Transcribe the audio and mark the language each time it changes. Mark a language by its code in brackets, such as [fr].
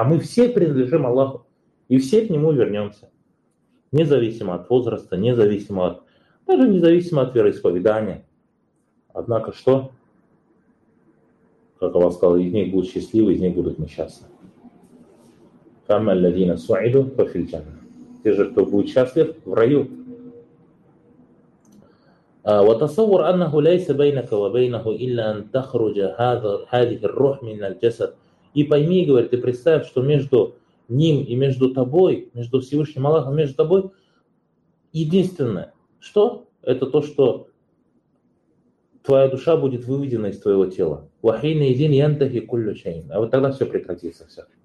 [ru] А мы все принадлежим Аллаху. И все к нему вернемся, независимо от возраста, независимо от, даже независимо от вероисповедания. Однако что? Как Аллах сказал, из них будут счастливы, из них будут несчастны. Фама ладина суиду фафильджанна. Те же, кто будет счастлив, в раю. [ar] وتصور أنه ليس بينك وبينه إلا أن تخرج هذه الروح من الجسد. [ru] И пойми, говорит, ты представь, что между ним и между тобой, между Всевышним Аллахом, между тобой единственное, что? Это то, что твоя душа будет выведена из твоего тела. Вахейна идин янтахи куллю чайн. А вот тогда все прекратится, все.